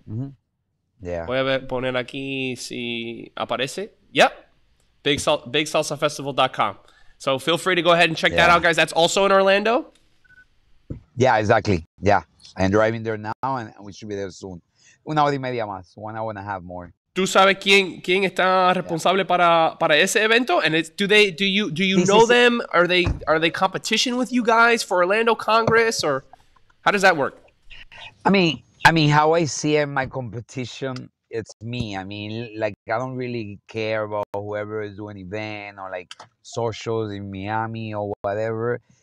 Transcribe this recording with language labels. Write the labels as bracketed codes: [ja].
[es] aquí. Voy a poner aquí si aparece. [en] Yep. Bigsalsafestival.com. So feel free to go ahead and check that out, guys. That's also in Orlando. Yeah, exactly. Yeah. I'm driving there now and we should be there soon. [es] Una hora y media más. [en] 1 hour and a half more. [es] ¿Tú sabes quién está responsable para ese evento? [en] And it's, do you [es] Sí, [en] know [es] sí, [en] them? Are they competition with you guys for Orlando Congress, or how does that work? I mean, how I see it, my competition, it's me. I mean, like, I don't really care about whoever is doing event or like socials in Miami or whatever.